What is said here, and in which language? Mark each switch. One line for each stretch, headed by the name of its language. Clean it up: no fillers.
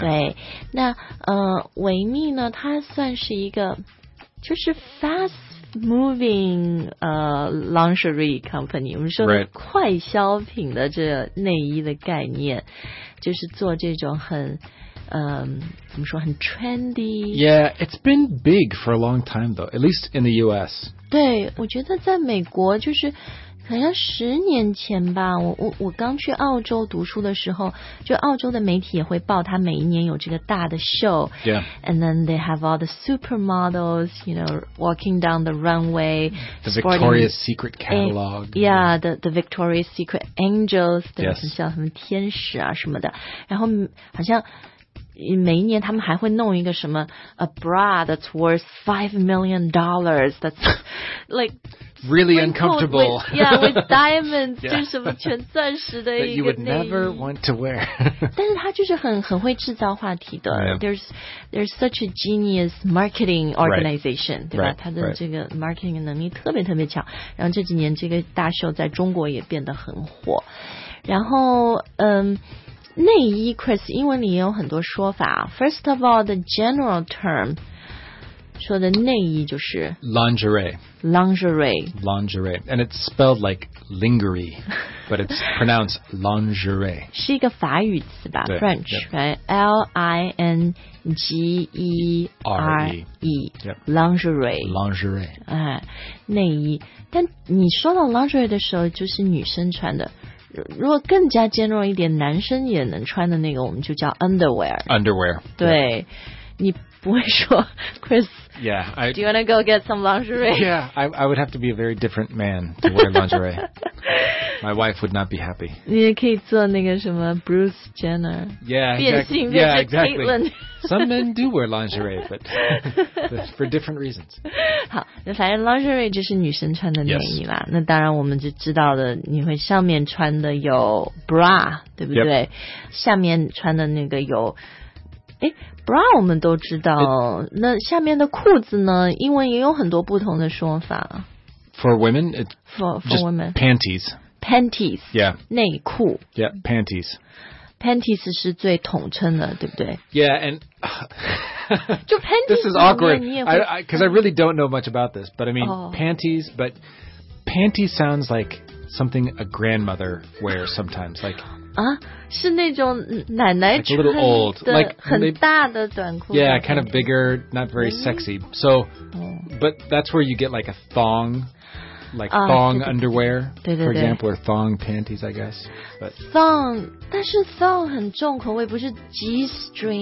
Chinese: 对那维密呢它算是一个就是
English: fast moving lingerie company
Chinese: 我们说的快消品的这内衣的概念、
English: right.
Chinese: 就是做这种很怎么说很 trendy
English: Yeah, it's been big for a long time though at least in the US
Chinese: 对我觉得在美国就是好像十年前吧我刚去澳洲读书的时候就澳洲的媒体也会报他每一年有这个大的秀
English: Yeah. And then they have all the supermodels, you know, walking down the runway. The Victoria's Secret catalog. Yeah, the Victoria's Secret angels.
Chinese: 对 Yes. 像什么天使啊什么的。然后好像每一年他们还会弄一个什么
English: a bra that's worth $5 million that's like really uncomfortable with, yeah with diamonds
Chinese: 就是什么全钻石的一个
English: that you would never want to wear
Chinese: 但是他就是很会制造话题的、
English: yeah. there's such a genius marketing organization right.
Chinese: 对吧、
English: right.
Chinese: 他的这个 marketing 能力特别特别强然后这几年这个大秀在中国也变得很火然后内衣 Chris 英文里也有很多说法
English: First of all the general term
Chinese: 说的内衣就是
English: Lingerie And it's spelled like lingerie But it's pronounced lingerie
Chinese: 是一个法语词吧 French、
English: yep. right? L-I-N-G-E-R-E、 yep.
Chinese: Lingerie、内衣但你说到 lingerie 的时候就是女生穿的如果更加 general 一点男生也能穿的那个我们就叫 underwear 对、
English: yeah.
Chinese: 你不会说 Chris
English: yeah, do you want to go get some lingerie yeah I would have to be a very different man to wear lingerie my wife would not be happy
Chinese: 你也可以做那个什么 Bruce Jenner
English: yeah exactly,
Chinese: 变性变成 Caitlyn
English: some men do wear lingerie but for different reasons
Chinese: 好那反正 lingerie 就是女生穿的内衣啦、
English: yes.
Chinese: 那当然我们就知道的你会上面穿的有 bra 对不对、
English: yep.
Chinese: 下面穿的那个有bra 我们都知道 那下面的裤子呢英文也有很多不同的说法
English: for women for women panties yeah
Chinese: 内裤
English: yeah panties
Chinese: Panties 是最统称的，对不对
English: ？Yeah, and
Chinese: 就 panties.
English: This is awkward. Because I really don't know much about this, but I mean、oh. panties. But panties sounds like something a grandmother wears sometimes. Like
Chinese: 啊，是那种奶奶穿的
English: a little old,
Chinese: 很大的短裤。
English: Yeah, kind of bigger, not very sexy. So,、oh. but that's where you get like a thong. Like thong underwear,
Chinese: 对对对
English: for example, or thong panties, I guess. But
Chinese: thong, 但是 thong 很重口味，不是 G-string 吗